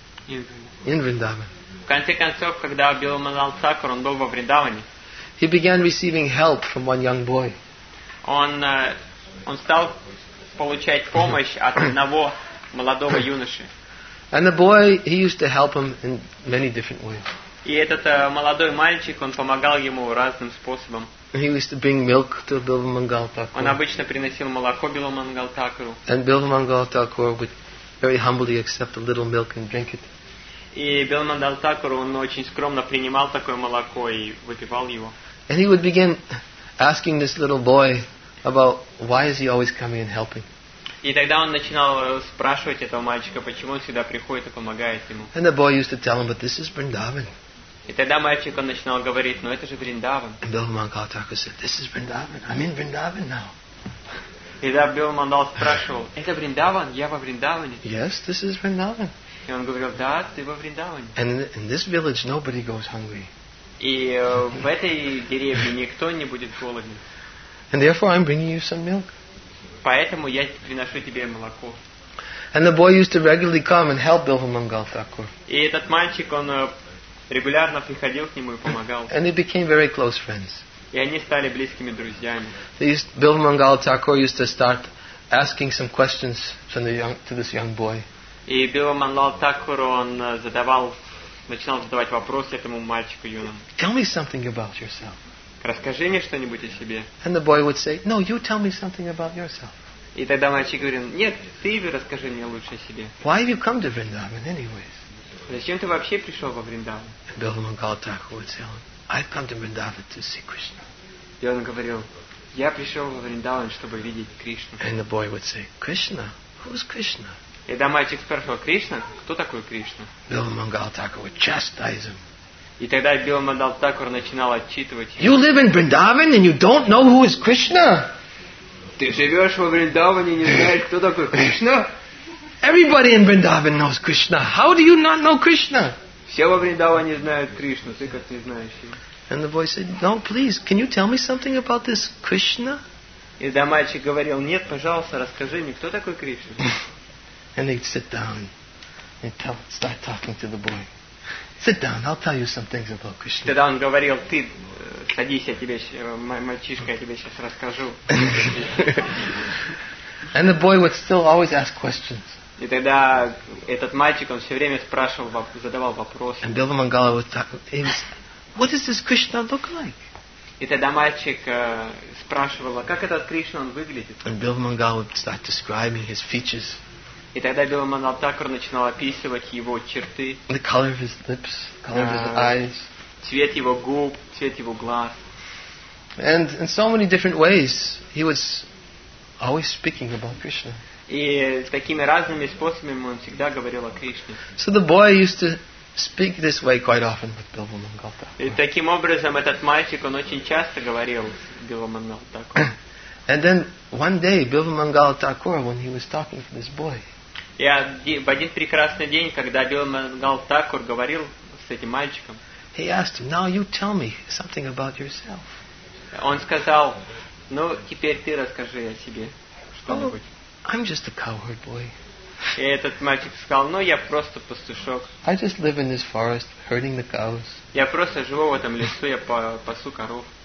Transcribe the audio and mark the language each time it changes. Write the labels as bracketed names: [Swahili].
[Russian] В конце концов, когда Бхила Мангала Такур, он был во Вриндаване. [English] He began receiving help from one young boy. [Russian] Он стал получать помощь от одного молодого юноши. [English] And the boy, he used to help him in many different ways. [Russian] И этот молодой мальчик, он помогал ему разным способом. [English] He used to bring milk to Bilva Mangala Thakur. [Russian] Он обычно приносил молоко Бхила Мангала Такуру. [English] And Bilva Mangala Thakur would very humbly accept a little milk and drink it. [Russian] И Бхила Мангала Такур, он очень скромно принимал такое молоко и выпивал его. [English] And he would begin asking this little boy about why is he always coming and helping. [Russian] И тогда он начинал спрашивать этого мальчика, почему он всегда приходит и помогает ему. [English] And the boy used to tell him, but this is Vrindavan. [Russian] И тогда мальчик, он начинал говорить, но это же Вриндаван. [English] And Bilva Mangala Thakur said, this is Vrindavan, I'm in Vrindavan now. [Russian] И тогда Бхила Мангала спрашивал, это Вриндаван, я во Вриндаване. [English] Yes, this is Vrindavan. [Russian] И он говорил, да, ты во Вриндаване. [English] And in this village nobody goes hungry. [Russian] И в этой деревне никто не будет голоден. [English] And therefore I'm bringing you some milk. [Russian] Поэтому я приношу тебе молоко. [English] And the boy used to regularly come and help Bilva Mangala Thakur. [Russian] И этот мальчик, он регулярно приходил к нему и помогал. [English] And they became very close friends. [Russian] И они стали близкими друзьями. [English] Bilva Mangala Thakur used to start asking some questions to this young boy. [Russian] И Бхила Мангала Такур, он начинал задавать вопросы этому мальчику юному. [English] Tell me something about yourself. [Russian] Расскажи мне что-нибудь о себе. [English] And the boy would say, no, you tell me something about yourself. [Russian] И тогда мальчик говорил, нет, ты расскажи мне лучше о себе. [English] Why have you come to Vrindavan anyways? [Russian] Зачем ты вообще пришел во Вриндаван? [English] And Bilva Mangala Thakur would say, I've come to Vrindavan to see Krishna. [Russian] И он говорил, я пришел во Вриндаван, чтобы видеть Кришну. [English] And the boy would say, Krishna? Who's Krishna? [Russian] И тогда мальчик спрашивал, Кришна? Кто такой Кришна? [English] Bilva Mangala Thakur would chastise him. [Russian] И тогда Бхила Мангала Такур начинал отчитывать его. [English] You live in Vrindavan and you don't know who is Krishna? [Russian] Ты живешь во Вриндаване и не знаешь, кто такой Кришна? [English] Everybody in Vrindavan knows Krishna. How do you not know Krishna? [Russian] Все во Вриндаване знают Кришну, ты как не знаешь его. [English] And the boy said, no, please, can you tell me something about this Krishna? [Russian] И тогда мальчик говорил, нет, пожалуйста, расскажи мне, кто такой Кришна? [English] And they'd sit down and start talking to the boy. Sit down, I'll tell you some things about Krishna. [Russian] Тогда он говорил, ты садись, я тебе, мальчишка, я тебе сейчас расскажу. [English] And the boy would still always ask questions. [Russian] И тогда этот мальчик, он все время спрашивал, задавал вопросы. [English] And Bilva Mangala would talk, what does this Krishna look like? [Russian] И тогда мальчик спрашивал, как этот Кришна, он выглядит? [English] And Bilva Mangala would start describing his features. [Russian] И тогда Биламанал Такур начинал описывать его черты. [English] The color of his lips, color of his eyes. [Russian] Цвет его губ, цвет его глаз. [English] And in so many different ways, he was always speaking about Krishna. [Russian] И такими разными способами он всегда говорил о Кришне. [English] So the boy used to speak this way quite often with Bilbo Mangal Thakur. [Russian] И таким образом этот мальчик, он очень часто говорил с Bilbo Mangal Thakur. [English] And then one day, Bilbo Mangal Thakur, when he was talking to this boy, [Russian] в один прекрасный день, когда Bilbo Mangal Thakur говорил с этим мальчиком, [English] he asked him, "Now you tell me something about yourself." [Russian] Он сказал, "Ну теперь ты расскажи о себе что-нибудь." [English] I'm just a cowherd boy. [Russian] И этот мальчик сказал, ну я просто пастушок. [English] I just live in this forest, herding the cows. [Russian] Я просто живу в этом лесу, я пасу коров.